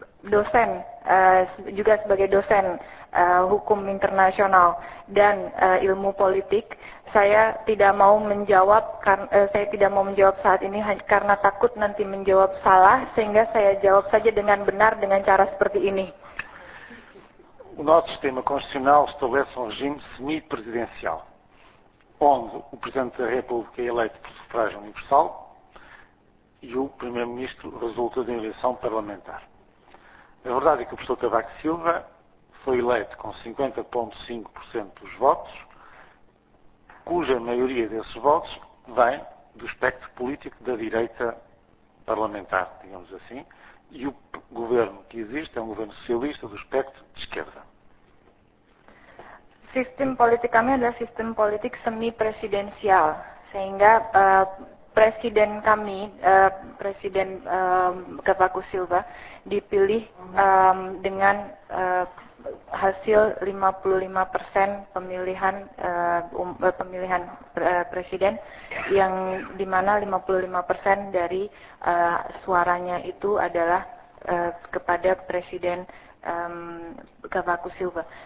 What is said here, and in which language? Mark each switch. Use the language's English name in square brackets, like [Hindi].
[Indonesian] dosen juga sebagai dosen hukum internasional dan ilmu politik, saya tidak mau menjawab saat ini karena takut nanti menjawab salah, sehingga saya jawab saja dengan benar dengan cara seperti ini. [Portuguese] O nosso sistema constitucional estabelece um regime semi-presidencial, onde o Presidente da República é eleito por sufrágio universal e o Primeiro-Ministro resulta de uma eleição parlamentar. A verdade é que o professor Cavaco Silva foi eleito com 50,5% dos votos, cuja maioria desses votos vem do espectro político da direita parlamentar, digamos assim, e o governo que existe é um governo socialista do espectro de esquerda. [Indonesian] Sistema político kami adalah sistem politik semi-presidencial, sehingga presiden kami, presiden Cavaco Silva, dipilih dengan hasil 55% pemilihan presiden, yang dimana 55% dari suaranya itu adalah kepada presiden Cavaco Silva.